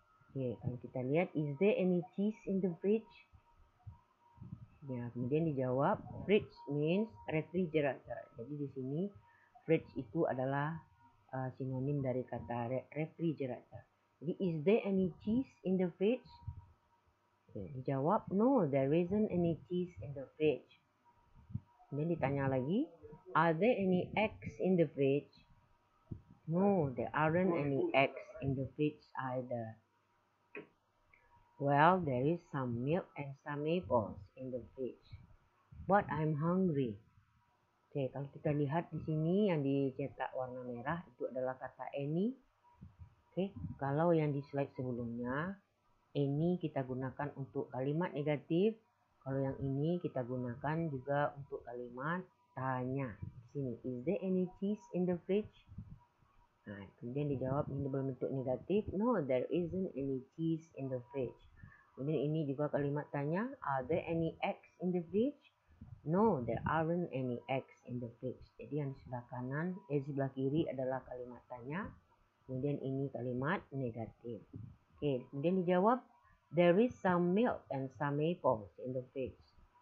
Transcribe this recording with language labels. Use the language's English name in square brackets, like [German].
[English] Oke, okay, [Indonesian] kalau kita lihat, [English] is there any cheese in the fridge? [Indonesian] Ya, kemudian dijawab, [English] fridge means refrigerator. [Indonesian] Jadi di sini, fridge itu adalah sinonim dari kata refrigerator. [English] Jadi, is there any cheese in the fridge? Okay, dijawab, no, there isn't any cheese in the fridge. [Indonesian] Kemudian ditanya lagi, [English] are there any eggs in the fridge? No, there aren't any eggs in the fridge either. Well, there is some milk and some apples in the fridge. But I'm hungry. [Indonesian] Oke, kalau kita lihat di sini yang dicetak warna merah itu adalah kata any. Oke, kalau yang di slide sebelumnya, any kita gunakan untuk kalimat negatif. Kalau yang ini kita gunakan juga untuk kalimat tanya. Di sini, [English] is there any cheese in the fridge? [Indonesian] Nah, kemudian dijawab ini berbentuk negatif. [English] No, there isn't any cheese in the fridge. [Indonesian] Kemudian ini juga kalimat tanya. [English] Are there any eggs in the fridge? No, there aren't any eggs in the fridge. [Indonesian] Jadi yang sebelah kanan, sebelah kiri adalah kalimat tanya. Kemudian ini kalimat negatif. [English] Oke, [Indonesian] kemudian dijawab, [English] there is some milk and some apples in the fridge.